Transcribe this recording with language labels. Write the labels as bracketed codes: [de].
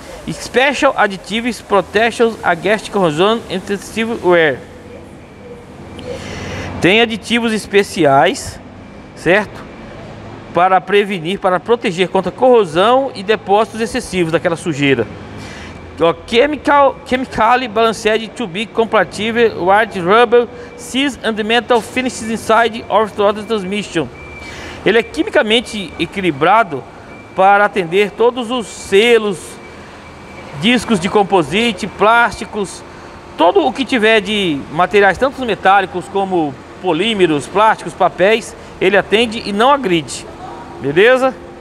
[en] Special Additives Protection Against Corrosion Intensive Wear. [pt] Tem aditivos especiais, certo? Para prevenir, para proteger contra corrosão e depósitos excessivos daquela sujeira. [en] Chemically balanced to be compatible with rubber, seals and metal finishes inside of the transmission. [pt] Ele é quimicamente equilibrado para atender todos os selos, discos de composite, plásticos, todo o que tiver de materiais, tanto metálicos como polímeros, plásticos, papéis, ele atende e não agride. Beleza?